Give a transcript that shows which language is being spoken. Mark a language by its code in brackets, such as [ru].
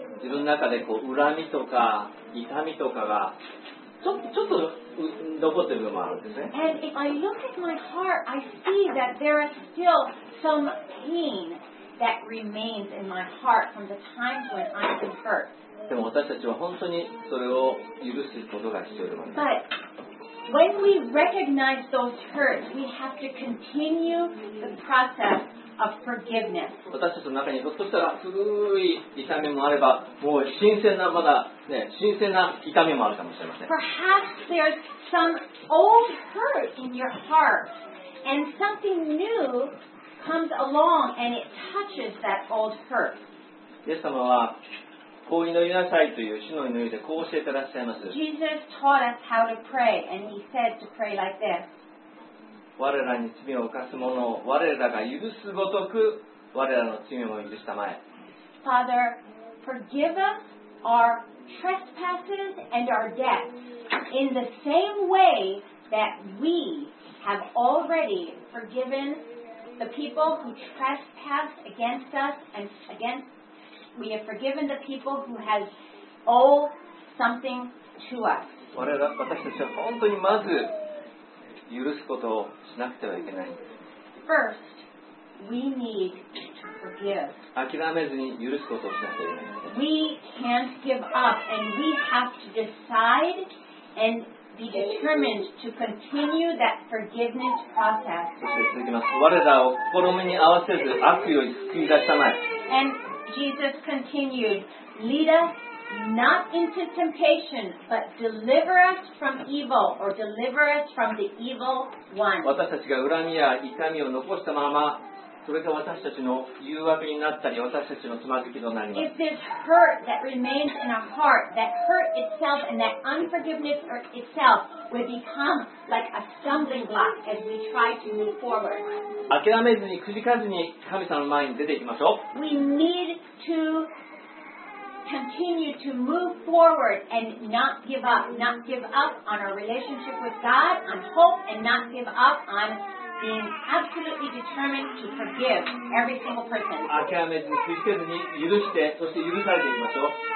[ja] 自分の中でこう恨みとか痛みとかがちょっと残ってる部分もあるんですね。 [en] And if I look at my heart, I see that there is still some pain that remains in my heart from the times when I was hurt. [ja] でも私たちは本当にそれを許すことが必要です。 [en] But when we recognize those hurts, we have to continue the process of forgiveness. [ja] 私たちの中にひょっとしたら古い痛みもあれば、もう新鮮なまだね、新鮮な痛みもあるかもしれません。 [en] Perhaps there's some old hurt in your heart, and something new comes along and it touches that old hurt. [ja] イエス様はこう祈りなさいという主の祈りでこう教えてらっしゃいます。 [en] Jesus taught us how to pray, and he said to pray like this. [ja] 我らに罪を犯す者を我らが許すごとく我らの罪も許したまえ。 [en] Father, forgive us our trespasses and our debts in the same way that we have already forgiven the people who trespassed against us and againstWe have forgiven the people who have owed something to us. [ja] 私たちは本当にまず許すことをしなくてはいけない。 [en] First, we need to forgive. [ja] 諦めずに許すことをしなくてはいけない。 [en] We can't give up, and we have to decide and be determined to continue that forgiveness process. [ja] そして続きます。我らを試みに合わせず悪を救い出さない。 [en] Jesus continued, "Lead us not into temptation, but deliver us from evil, or deliver us from the evil one." [ja] 私たちが恨みや痛みを残したまま、それが私たちの誘惑になったり、私たちのつまずきとなります。 [en] If this hurt that remains in our heart, that hurt itself and that unforgiveness itself will become like a stumbling block as we try to move forward. [ja] 諦めずに、くじかずに神様の前に出ていきましょう。 [en] We need to continue to move forward and not give up. Not give up on our relationship with God, on hope, and not give up on... being absolutely determined to forgive every single person. [ja] 諦めずに、くじけずに、許して、そして許されていきましょう。